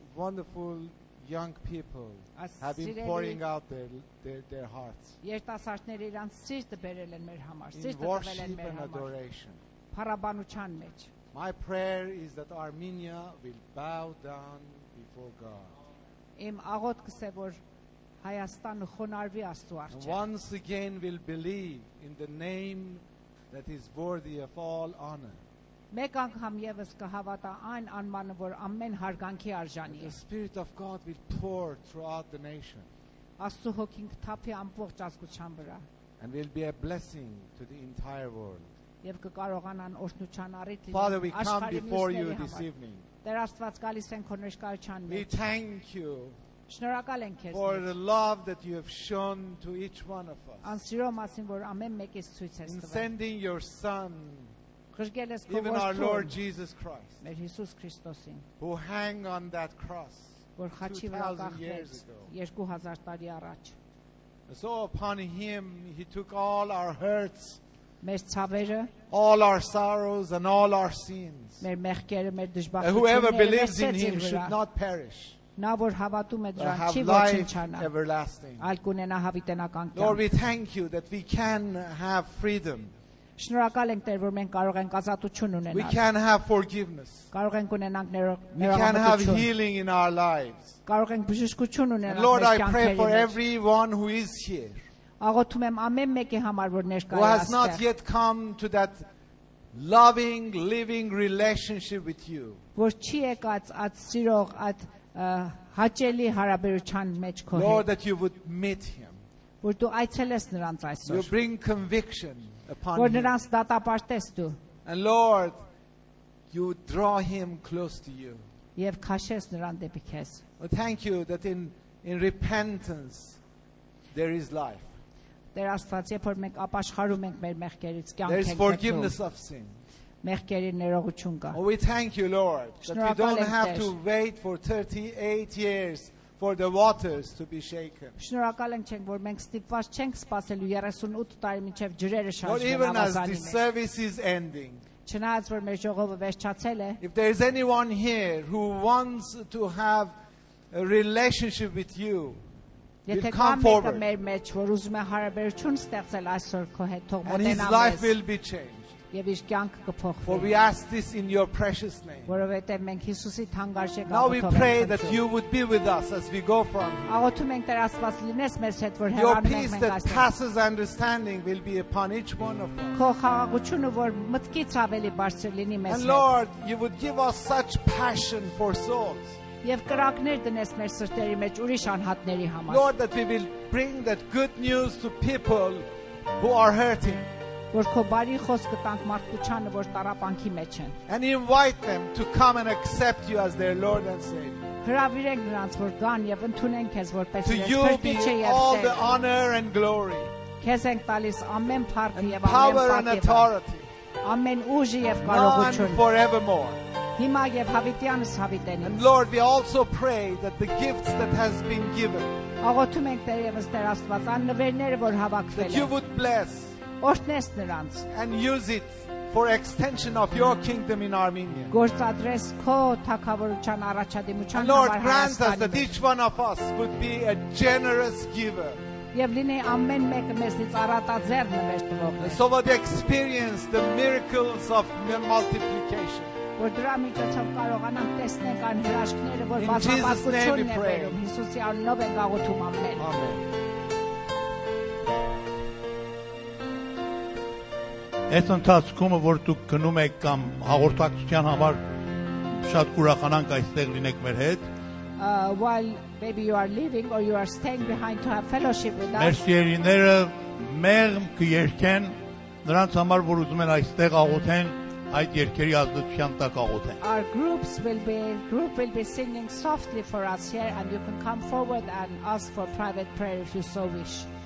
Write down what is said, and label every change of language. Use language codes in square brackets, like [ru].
[en] wonderful young people have been pouring out their hearts in worship and adoration. My prayer is that Armenia will bow down before God. [hy] Հայաստանը խոնարհվի Աստծո առջև. [en] Once again we'll believe in the name that is worthy of all honor. [hy] Մեկ անգամ եւս կհավատա այն անմանը, որ ամեն հարգանքի արժանի է. [en] The Spirit of God will pour throughout the nation. [hy] Աստծո հոգին կթափի ամբողջ ազգության վրա. [en] And will be a blessing to the entire world. [hy] Եվ կկարողանան օրհնության առիթ լինել աշխարհի մեջ. [en] Father, we come before you this evening. [hy] Դեր Աստված գալիս ենք քո ներկայությանը։ [en] We thank you. [hy] Շնորհակալ ենք քեզ։ [en] For the love that you have shown to each one of us. [hy] Անսիրո մասին, որ ամեն մեկից ցույց ես տվել։ [en] In sending your son. [hy] Խրգելես քո Աստուծո։ [en] Even our Lord Jesus Christ. [hy] Մեր Հիսուս Քրիստոսին։ [en] Who hang on that cross. [hy] Որ խաչի վրա կախվեց 2000 տարի առաջ։ [en] So upon him he took all our hurts. [hy] Մեր ցավերը, [en] all our sorrows and all our sins. [hy] Մեր մեղքերը, մեր դժբախտությունները։ [en] Whoever believes in him should not perish. [hy] Նա որ հավատում է դրան, չի ոչնչանա։ [en] Everlasting. [hy] Այլ կունենա հավիտենական կյանք։ [en] Lord, we thank you that we can have freedom. [hy] Շնորհակալ ենք Տեր, որ մենք կարող ենք ազատություն ունենալ։ [en] We can have forgiveness. [hy] Կարող ենք ունենալ ներողություն։ [en] We can have healing in our lives. [hy] Կարող ենք բժշկություն ունենալ մեր կյանքերում։ [en] Lord, I pray for everyone who is here. [hy] Աղոթում եմ ամեն մեկի համար, որ ներկայ է աստեղ։ [en] Who has not yet come to that loving, living relationship with you. [hy] Որ չի եկած այդ սիրող, այդ հաճելի հարաբերության մեջ քո հետ։ [en] Lord, that you would meet him. [hy] Որ դու այցելես նրանց այսօր։ [en] You bring conviction upon him. [hy] Որ նրանց դատապարտես դու։ [en] And Lord, you draw him close to you. [hy] Եվ քաշես նրան դեպի քեզ։ [en] Thank you that in repentance there is life. [hy] Տեր Աստված, երբ որ մենք ապաշխարում ենք մեր մեղքերից, կյանք ենք ունենում։ [en] There is forgiveness of sin. [hy] Մեղքերի ներողություն կա։ [en] We thank you, Lord, that we don't have to wait for 38 years for the waters to be shaken. [hy] Շնորհակալ ենք, որ մենք ստիպված չենք սпасելու 38 տարի միջև ջրերը շարժվեն։ [en] Not even as the service is ending. [hy] Չնայած որ մեր ժողովը վերջացել է։ [en] If there is anyone here who wants to have a relationship with you, [hy] Եթե կամ մեկը մեր մեջ, որ ուզում է հարաբերություն ստեղծել այսօր քո հետ, թող մոտենամես։ Եվ իր կյանքը կփոխվի։ [en] For we ask this in your precious name. [hy] Որովհետև մենք Հիսուսի թանկարժեք աղոթում ենք։ [en] Now we pray that you would be with us as we go from here. [hy] Աղոթում ենք Տեր Աստված լինես մեզ հետ, որ հեռանում ենք մենք այստեղ։ [en] Your peace that passes understanding will be upon each one of us. [hy] Քո խաղաղությունը, որ մտքից ավելի բարձր լինի մեզ հետ։ [en] And Lord, you would give us such passion for souls. [hy] Եվ կրակներ դնես մեր սրտերի մեջ ուրիշ անհատների համար։ [en] Lord, that we will bring that good news to people who are hurting. [hy] Որ քո բարի խոսքը տանք մարդկանց, որ տառապանքի մեջ են։ [en] And invite them to come and accept you as their Lord and Savior. [hy] Հրավիրենք նրանց, որ գան եւ ընդունեն քեզ որպես [en] Մեսսիա։ To you be all the honor and glory. [hy] Քեզ ենք տալիս ամեն փառքը եւ ամեն պատիվը։ Ամեն ուժը եւ կարողությունը։ [en] Now and forevermore. [hy] Հիմա եւ հավիտյանս հավիտենի։ [en] And Lord, we also pray that the gifts that has been given. [hy] Աղոթում ենք Տերևս Տեր Աստված, այն նվերները, որ հավաքվել են։ [en] That you would bless. [hy] Օրհնես նրանց։ [en] And use it for extension of your kingdom in Armenia. [hy] Գործադրես քո թակավորության առաջադիմության համար։ [en] Lord, grant us that each one of us would be a generous giver. [hy] Եվ լինի ամեն մեկը մեզից առատաձեռ նվեր տվող։ [en] So that we experience the miracles of multiplication. [hy] Որ դրա միջոցով կարողանանք տեսնել այն հրաշքները, որ բացահայտությունն է բերում Հիսուսի անունով են աղոթում ամեն։ Ամեն։ Այս ընթացքումը, որ դուք գնում եք կամ հաղորդակցության համար, շատ ուրախանանք այստեղ լինեք մեր հետ։ [en] While maybe you are leaving or you are staying behind to have fellowship with us. [hy] Մեր սիրիները մեղմ կերկեն նրանց համար, որ ուզում են այստեղ աղոթեն, այդ երկերի ազդեցության տակ աղոթեն։ [en] Our groups will be singing softly for us here, and you can come forward and ask for private prayer if you so wish.